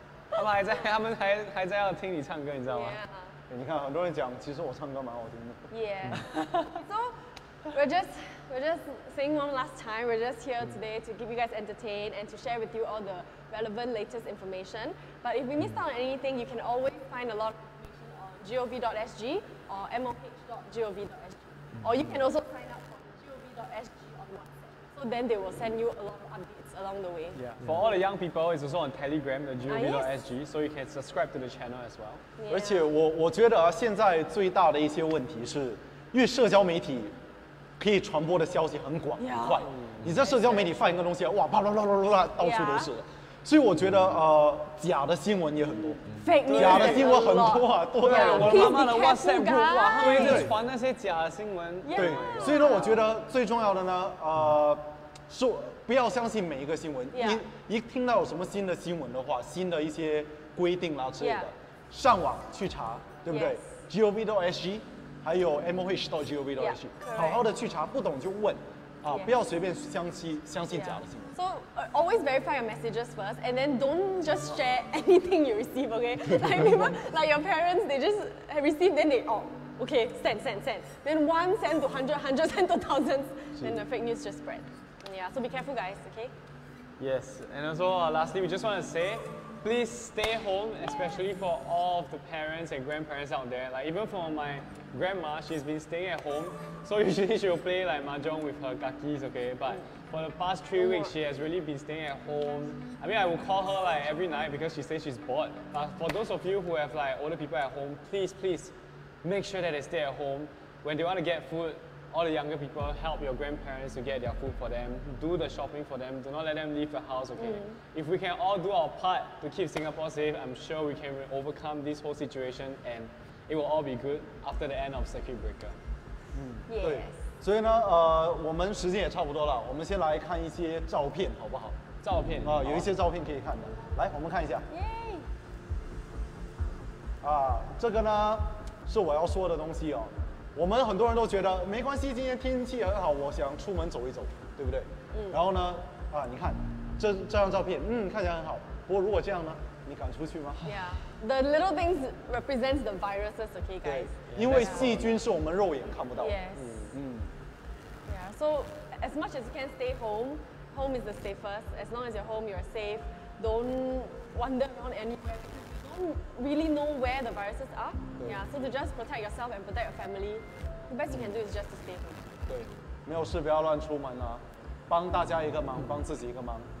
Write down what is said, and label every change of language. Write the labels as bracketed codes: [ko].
[zh] 他们还在要听你唱歌，你知道吗？ [en] Yeah. [zh] 欸、你看很多人讲，其实我唱歌蛮好听的。 [en] Yeah. So we're just saying one last time. We're just here today to keep you guys entertained and to share with you all the relevant latest information. But if we missed out on anything, you can always find a lot of information on gov.sg or moh.gov.sg. Or you can also sign up for gov.sg on WhatsApp. So then they will send you a lot of updates. Along the way. Yeah. For all the young people, it's also on Telegram, the gov.sg, so you can subscribe to the channel as well. Yeah. [zh] 而且我觉得现在最大的一些问题是，因为社交媒体可以传播的消息很广很快， yeah. 你在社交媒体放一个东西，哇，啪啦啦啦啦啦，到处都是。Yeah. 所以我觉得，假的新闻也很多，假的新闻很多啊，多到我妈妈的 WhatsApp group 哇，他们一直传那些假的新闻。对，所以呢，我觉得最重要的呢，是不要相信每一个新闻。一听到有什么新的新闻的话，新的一些规定啦之类的，上网去查，对不对？gov.sg， 还有 moh.gov.sg， 好好的去查，不懂就问。Yeah. 不要随便相信假的新闻。 [en] So always verify your messages first, and then don't just share anything you receive. Okay, like people, like your parents, they just receive, then they okay, send. Then one send to hundred, hundred send to thousands, then the fake news just spread. Yeah, so be careful, guys. Okay. Yes, and also lastly, we just want to say, please stay home, especially for all of the parents and grandparents out there. Like even for my grandma, she's been staying at home, so usually she will play like mahjong with her kakis, okay? But for the past 3 weeks, she has really been staying at home. I mean, I will call her like every night because she says she's bored. But for those of you who have like older people at home, please make sure that they stay at home. When they want to get food, all the younger people, help your grandparents to get their food for them. Do the shopping for them. Do not let them leave the house, okay? Mm. If we can all do our part to keep Singapore safe, I'm sure we can overcome this whole situation and it will all be good after the end of circuit breaker. [zh] Yes. 对，所以呢，我们时间也差不多了，我们先来看一些照片，好不好？照片啊，有一些照片可以看的，来，我们看一下。耶。啊，这个呢，是我要说的东西哦。我们很多人都觉得没关系，今天天气很好，我想出门走一走，对不对？然后呢，啊，你看，这张照片，看起来很好。不过如果这样呢，你敢出去吗？ [en] Yeah. The little things represents the viruses, okay, guys? [zh] 因为细菌是我们肉眼看不到的。 [en] Yes. Yeah, so as much as you can stay home, home is the safest. As long as you're home, you're safe. Don't wander around anywhere. You don't really know where the viruses are. Yeah, so to just protect yourself and protect your family, the best you can do is just to stay home. [zh] 对，没有事不要乱出门啊，帮大家一个忙，帮自己一个忙。